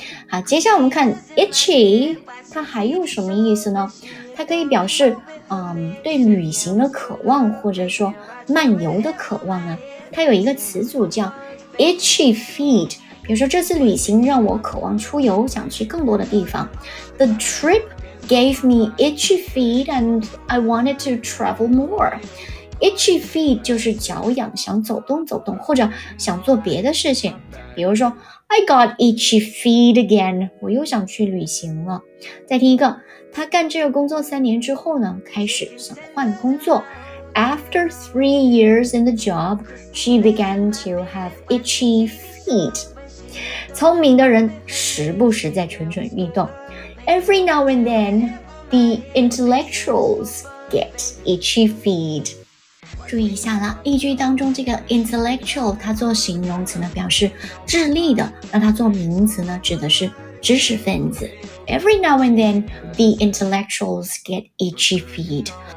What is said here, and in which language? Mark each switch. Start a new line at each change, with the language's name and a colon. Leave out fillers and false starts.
Chinese: 好，接下来我们看 itchy， 它还有什么意思呢？它可以表示，对旅行的渴望，或者说漫游的渴望啊。它有一个词组叫 itchy feet。比如说这次旅行让我渴望出游，想去更多的地方。
English: The trip gave me itchy feet and I wanted to travel more.
Chinese: Itchy feet 就是脚痒，想走动走动，或者想做别的事情。比如说
English: I got itchy feet again，
Chinese: 我又想去旅行了。再听一个，他干这个工作三年之后呢，开始想换工作。
English: After 3 years in the job, she began to have itchy feet.
Chinese: 聪明的人时不时在蠢蠢欲动。
English: Every now and then, the intellectuals get itchy feet.
Chinese: 注意一下啦，例句当中这个 intellectual 它做形容词呢表示智力的，那它做名词呢指的是知识分子。
English: Every now and then, the intellectuals get itchy feet.